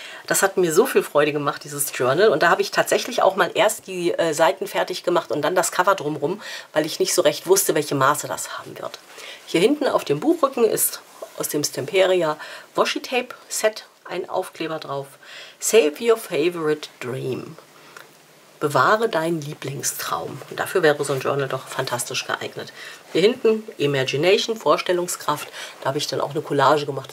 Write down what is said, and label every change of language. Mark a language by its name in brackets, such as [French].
[German] Das hat mir so viel Freude gemacht, dieses Journal. Und da habe ich tatsächlich auch mal erst die Seiten fertig gemacht und dann das Cover drumherum, weil ich nicht so recht wusste, welche Maße das haben wird. Hier hinten auf dem Buchrücken ist aus dem Stemperia Washi Tape Set ein Aufkleber drauf. [English] Save your favorite dream. [German] Bewahre deinen Lieblingstraum. Und dafür wäre so ein Journal doch fantastisch geeignet. Hier hinten Imagination, Vorstellungskraft. Da habe ich dann auch eine Collage gemacht.